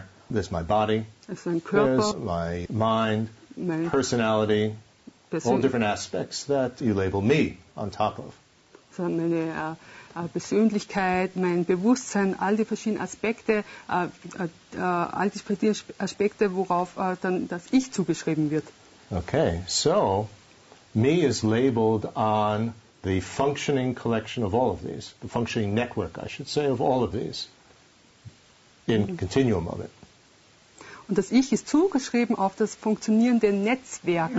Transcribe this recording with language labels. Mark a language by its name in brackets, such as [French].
[English] There's my body, there's my mind, personality, all different aspects that you label me on top of. [German] So meine Persönlichkeit, mein Bewusstsein, all die verschiedenen Aspekte, all die verschiedenen Aspekte, worauf dann das Ich zugeschrieben wird. [English] Okay, so me is labeled on the functioning collection of all of these, the functioning network, I should say, of all of these. In continuum of it. [German] Und das Ich ist zugeschrieben auf das funktionierende Netzwerk.